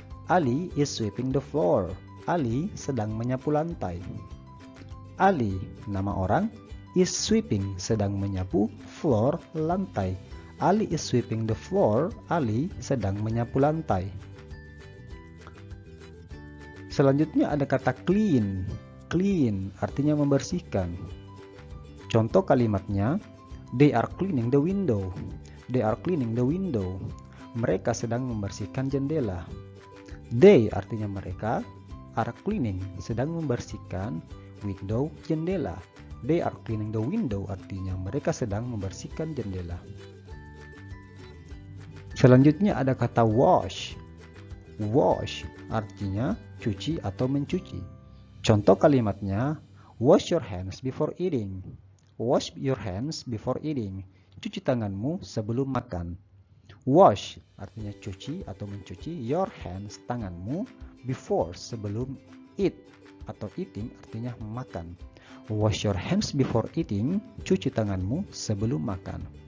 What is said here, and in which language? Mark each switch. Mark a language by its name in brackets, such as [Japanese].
[English] Ali is sweeping the floor. [Indonesian] Ali sedang menyapu lantai. Ali nama orang, [English] is sweeping [Indonesian] sedang menyapu floor, lantai. [English] Ali is sweeping the floor. [Indonesian] Ali sedang menyapu lantai. Selanjutnya ada kata clean. Clean artinya membersihkan. Contoh kalimatnya, [English] they are cleaning the window. They are cleaning the window. [Indonesian] Mereka sedang membersihkan jendela. They artinya mereka, [English] are cleaning [Indonesian] sedang membersihkan window, jendela. [English] They are cleaning the window [Indonesian] artinya mereka sedang membersihkan jendela. Selanjutnya ada kata wash. Wash artinya cuci atau mencuci. Contoh kalimatnya, [English] wash your hands before eating. Wash your hands before eating. [Indonesian] Cuci tanganmu sebelum makan. Wash artinya cuci atau mencuci, [English] your hands [Indonesian] tanganmu, before sebelum eat atau eating artinya makan. [English] Wash your hands before eating, [Indonesian] cuci tanganmu sebelum makan.